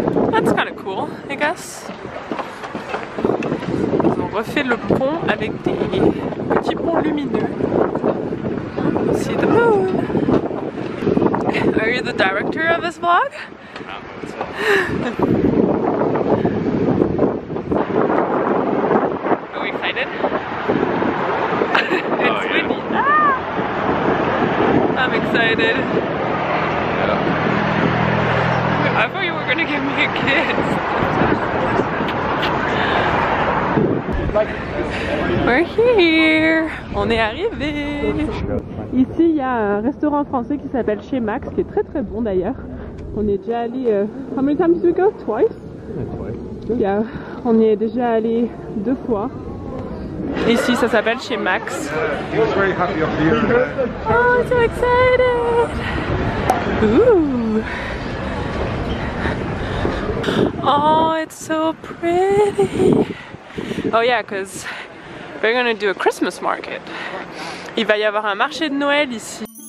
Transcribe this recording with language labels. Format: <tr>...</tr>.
<en>That's kind of cool, I guess.</en> <fr>Ils ont refait le pont avec des petits ponts lumineux.</fr> <en>See the moon. Are you the director of this vlog? Are we excited? It's windy. Ah! I'm excited. I thought you were gonna give me a kiss. We're here.</en> <fr>On est arrivé. Ici, il y a un restaurant français qui s'appelle Chez Max, qui est très très bon d'ailleurs. On est déjà allé.</fr> <en>How many times did we go? Twice. Twice. Yeah.</en> <fr>On y est déjà allé deux fois. Ici, ça s'appelle Chez Max.</fr> <en>He's very happy of you. Oh, I'm so excited. Ooh. Oh, it's so pretty. Oh yeah, because we're gonna do a Christmas market.</en> <fr>Il va y avoir un marché de Noël ici.</fr>